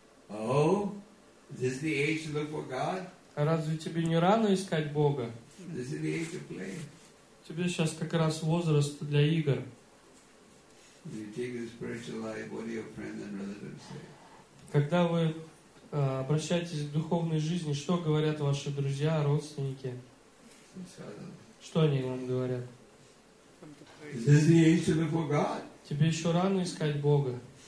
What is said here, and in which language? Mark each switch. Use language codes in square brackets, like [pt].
[en] Oh, is this the age to look for God? [ru] А разве тебе не рано искать Бога? [en] This is the age to play. [ru] Тебе сейчас как раз возраст для игр. [en] You take the spiritual life, what do your friends and relatives say? [ru] Когда вы обращайтесь к духовной жизни, что говорят ваши друзья, родственники? Что они вам говорят? Тебе еще рано искать Бога.